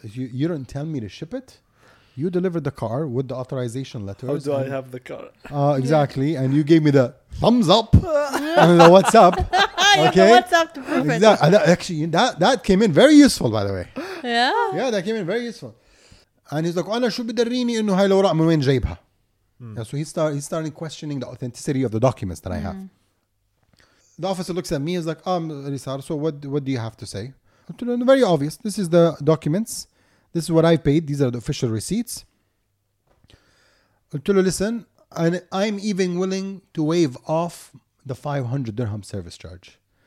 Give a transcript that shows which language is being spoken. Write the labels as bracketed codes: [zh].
[en] You didn't tell me to ship it? You delivered the car with the authorization letters. How do I have the car? Exactly. And you gave me the thumbs up and the what's up. Okay. The what's up to prove exactly. It. Actually, that came in very useful, by the way. Yeah? Yeah, that came in very useful. And he's like, [ar] أنا شو بدريني إنه هاي الوراق من وين جايبها? [en] So he started questioning the authenticity of the documents that I have. The officer looks at me, he's like, Risar, so what do you have to say? Very obvious. This is the documents. This is what I paid. These are the official receipts. [ar] قلت له, [en] listen, I'm even willing to waive off the 500 dirham service charge.